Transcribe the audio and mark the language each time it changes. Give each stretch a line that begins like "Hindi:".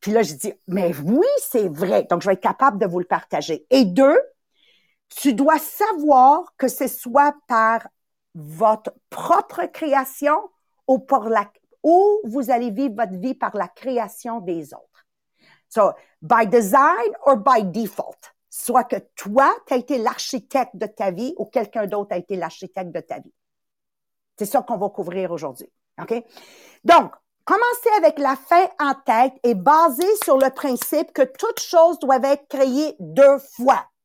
French: Puis là, je dis, mais oui, c'est vrai. Donc, je vais être capable de vous le partager. Et 2, tu dois savoir que ce soit par votre propre création ou vous allez vivre votre vie par la création des autres.
English: So, by design or by default.
French: Soit que toi, t'as été l'architecte de ta vie ou quelqu'un d'autre a été l'architecte de ta vie. C'est ça qu'on va couvrir aujourd'hui. OK? Donc, commencez avec la fin en tête et basé sur le principe que toutes choses doivent être créées 2 fois.